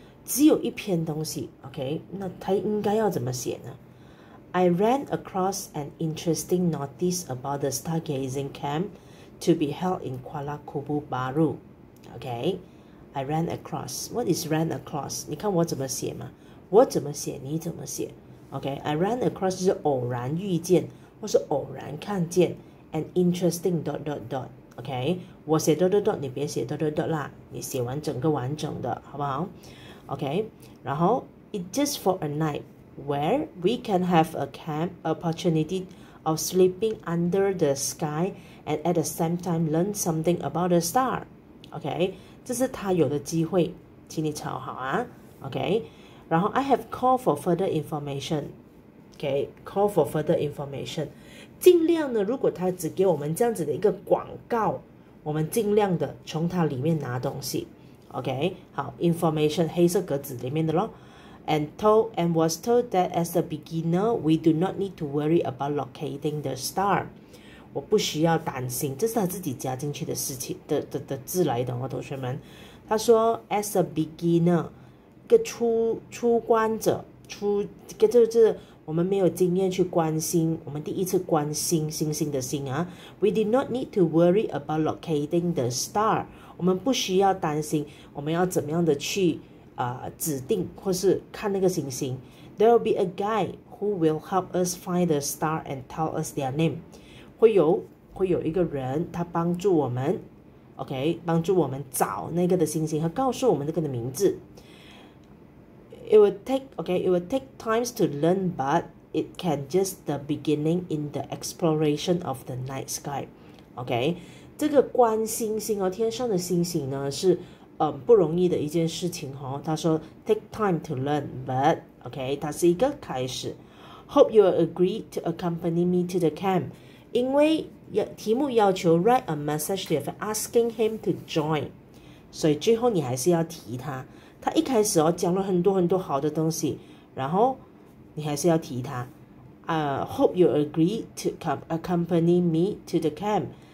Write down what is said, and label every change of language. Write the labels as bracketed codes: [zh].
[zh] 只有一篇东西， OK， 那他应该要怎么写呢？ [en] I ran across an interesting notice about the stargazing camp to be held in Kuala Kubu Baru， OK， I ran across， What is ran across？ [zh] 你看我怎么写吗？我怎么写你怎么写， OK， [en] I ran across [zh] 就是偶然遇见或是偶然看见， [en] An interesting dot dot dot, [zh] OK? 我写 dot dot dot, 你别写 dot dot dot 啦，你写完整个完整的，好不好？ [en] OK, 然后 It's just for a night where we can have a camp opportunity of sleeping under the sky and at the same time learn something about the star, OK? [zh] 这是他有的机会，请你抄好啊， OK? [en] 然后 I have called for further information, OK? Call for further information. [zh] 尽量呢，如果他只给我们这样子的一个广告，我们尽量的从他里面拿东西， OK， 好， information 黑色格子里面的咯。 [en] And was told that as a beginner we do not need to worry about locating the star， [zh] 我不需要担心，这是他自己加进去的事情 的字来的哦，同学们，他说 [en] as a beginner [zh] 一个初观者，初一个就是我们没有经验去关心，我们第一次关心星星的星啊。 [en] We did not need to worry about locating the star. [zh] 我们不需要担心我们要怎么样的去、指定或是看那个星星。 [en] There will be a guy who will help us find the star and tell us their name. [zh] 会有一个人他帮助我们， OK， 帮助我们找那个的星星和告诉我们那个的名字。 [en] It will take times to learn, but it can just the beginning in the exploration of the night sky. [zh] OK, 这个观星星哦，天上的星星呢是、不容易的一件事情哦。他说 [en] take time to learn, but [zh] OK, 它是一个开始。 [en] Hope you will agree to accompany me to the camp. [zh] 因为题目要求 [en] write a message to your friend asking him to join. [zh] 所以最后你还是要提他。他一开始、哦、讲了很多很多好的东西，然后你还是要提他。 [en] Hope you agree to come accompany me to the camp.